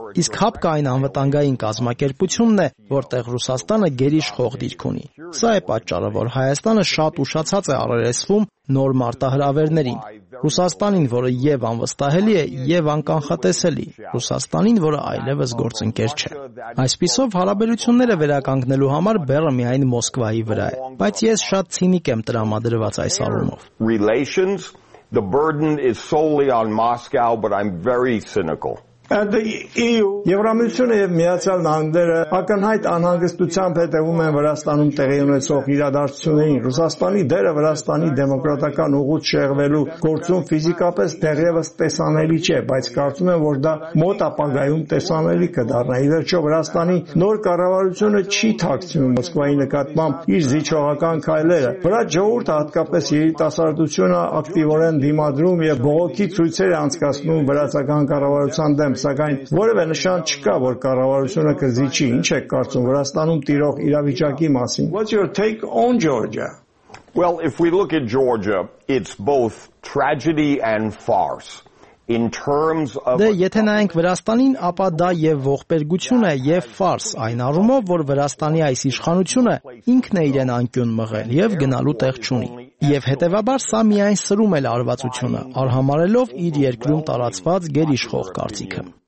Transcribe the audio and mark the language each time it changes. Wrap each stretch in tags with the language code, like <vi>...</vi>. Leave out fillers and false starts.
<hy>իսկ Հաբկային անվտանգային կազմակերպությունն է, որտեղ Ռուսաստանը գերիշխող դիրք ունի։ Սա է պատճառը, որ Հայաստանը շատ ուշացած է առերեսվում նոր մարտահրավերներին։ Ռուսաստանին, որը և անվստահելի է, և անկանխատեսելի։ Ռուսաստանին, որը այլևս գործընկեր չէ։ Այսպիսով հարաբերությունները վերականգնելու համար բեռը միայն Մոսկվայի վրա է։ Բայց ես շատ ցինիկ եմ տրամադրված այս առումով։</hy> <en>The burden is solely on Moscow, but I'm very cynical. And the EU,</en> <hy>Եվրամիությունը եւ Միացյալ Նահանգները ակնհայտ անհանգստությամբ հետևում են Վրաստանում տեղի ունեցող իրադարձություններին։ Ռուսաստանի դերը Վրաստանի դեմոկրատական ուղուց շեղվելու գործում ֆիզիկապես դեռևս տեսանելի չէ, բայց կարծում եմ, որ դա մոտ ապագայում տեսանելի կդառնա։ Ի վերջո Վրաստանի նոր կառավարությունը չի թաքցնում Մոսկվայի նկատմամբ իր զիջողական քայլերը։ Վրա ժողովուրդը, հատկապես երիտասարդությունը, ակտիվորեն դիմադրում եւ բողոքի ցույցեր անցկացնում վրացական կառավարության դեմ, սակայն որևէ նշան չկա, որ կառավարությունը կզիջի։ Ինչ եք կարծում Վրաստանում տիրող իրավիճակի մասին?</hy> <en>What's your take on Georgia? Well, if we look at Georgia, it's both tragedy and farce. In terms of</en> <hy>Դե եթե նայենք Վրաստանին, ապա դա եւ ողբերգություն է եւ ֆարս, այն առումով, որ Վրաստանի այս իշխանությունը ինքն է իրեն անկյուն մղել եւ գնալու տեղ չունի։ Եվ հետեւաբար սա միայն սրում է լարվածությունը, արհամարելով իր երկրում տարածված գերիշխող կարծիքը։</hy>